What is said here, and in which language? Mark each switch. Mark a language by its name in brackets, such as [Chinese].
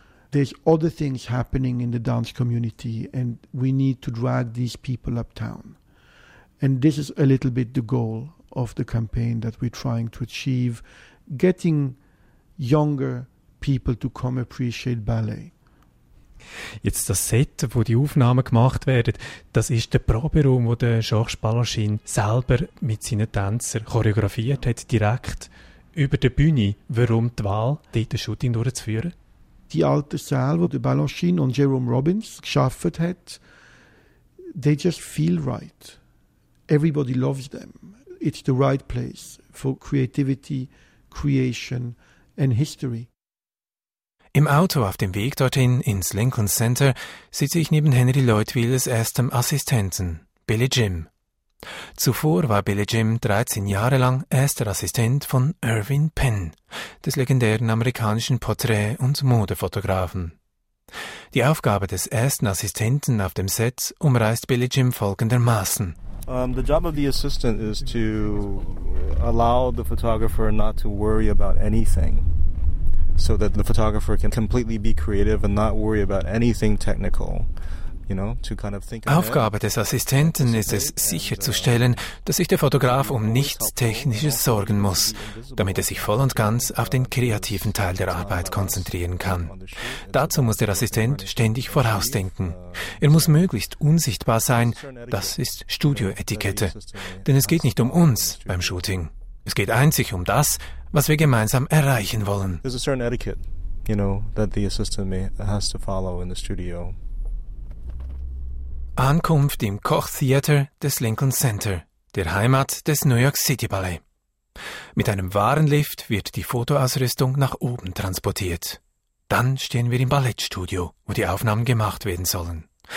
[English] There's other things happening in the dance community and we need to drag these people uptown. And this is a little bit the goal of the campaign that we're trying to achieve, getting younger people to come appreciate ballet. [German] Jetzt das Set, wo die Aufnahmen gemacht werden, das ist der Proberaum, wo der Georges Balanchine selber mit seinen Tänzern choreografiert hat, direkt über der Bühne. Warum die Wahl, dort ein Shooting durchzuführen? Die alte Saal, wo der Balanchine und Jerome Robbins geschaffen hat, [English] they just feel right. Everybody loves them. It's the right place for creativity, creation and history. [German] Im Auto auf dem Weg dorthin ins Lincoln Center sitze ich neben Henry Leutwilers erstem Assistenten, Billy Jim. Zuvor war Billy Jim 13 Jahre lang erster Assistent von Irving Penn, des legendären amerikanischen Porträt- und Modefotografen. Die Aufgabe des ersten Assistenten auf dem Set umreißt Billy Jim folgendermaßen. [English] The job of the assistant is to allow the photographer not to worry about anything. So that the photographer can completely be creative and not worry about anything technical, you know, to kind of think. [German] Aufgabe des Assistenten ist es, sicherzustellen, dass sich der Fotograf um nichts Technisches sorgen muss, damit er sich voll und ganz auf den kreativen Teil der Arbeit konzentrieren kann. Dazu muss der Assistent ständig vorausdenken. Er muss möglichst unsichtbar sein, das ist Studioetikette. Denn es geht nicht um uns beim Shooting. Es geht einzig um das, was wir gemeinsam erreichen wollen. [English] There's a certain etiquette, you know, that the assistant has to follow in the studio. [German] Ankunft im Koch Theater des Lincoln Center, der Heimat des New York City Ballet. Mit einem Warenlift wird die Fotoausrüstung nach oben transportiert. Dann stehen wir im Ballettstudio, wo die Aufnahmen gemacht werden sollen.